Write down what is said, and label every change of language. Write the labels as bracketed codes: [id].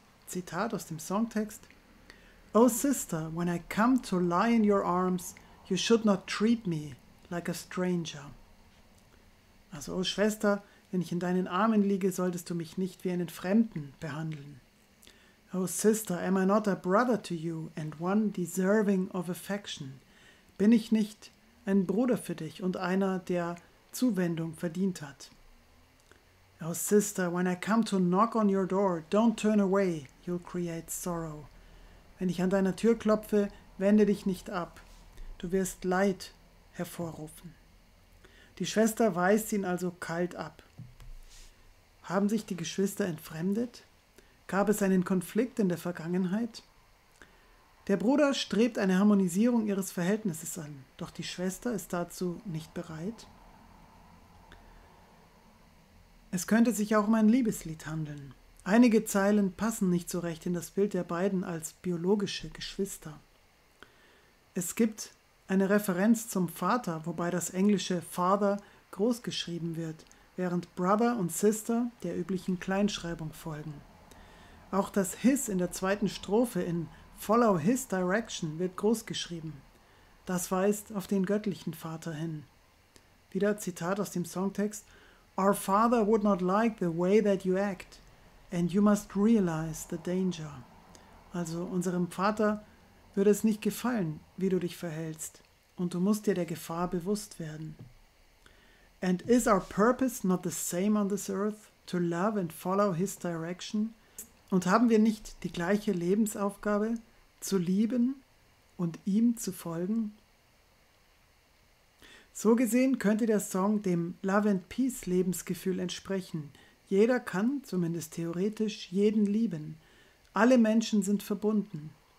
[de] Zitat aus dem Songtext: [en] Oh Sister, when I come to lie in your arms, you should not treat me like a stranger. [de] Also, oh Schwester, wenn ich in deinen Armen liege, solltest du mich nicht wie einen Fremden behandeln. [en] Oh Sister, am I not a brother to you and one deserving of affection? [de] Bin ich nicht ein Bruder für dich und einer, der Zuwendung verdient hat? [en] Oh Sister, when I come to knock on your door, don't turn away, you'll create sorrow. [de] Wenn ich an deiner Tür klopfe, wende dich nicht ab, du wirst Leid hervorrufen. Die Schwester weist ihn also kalt ab. Haben sich die Geschwister entfremdet? Gab es einen Konflikt in der Vergangenheit? Der Bruder strebt eine Harmonisierung ihres Verhältnisses an, doch die Schwester ist dazu nicht bereit. Es könnte sich auch um ein Liebeslied handeln. Einige Zeilen passen nicht so recht in das Bild der beiden als biologische Geschwister. Es gibt eine Referenz zum Vater, wobei das englische Father großgeschrieben wird, während Brother und Sister der üblichen Kleinschreibung folgen. Auch das His in der zweiten Strophe in Follow His Direction wird großgeschrieben. Das weist auf den göttlichen Vater hin. Wieder Zitat aus dem Songtext: [en] Our father would not like the way that you act, and you must realize the danger. [de] Also unserem Vater würde es nicht gefallen, wie du dich verhältst, und du musst dir der Gefahr bewusst werden. [en] And is our purpose not the same on this earth, to love and follow his direction? [de] Und haben wir nicht die gleiche Lebensaufgabe, zu lieben und ihm zu folgen? So gesehen könnte der Song dem Love and Peace Lebensgefühl entsprechen. Jeder kann, zumindest theoretisch, jeden lieben. Alle Menschen sind verbunden.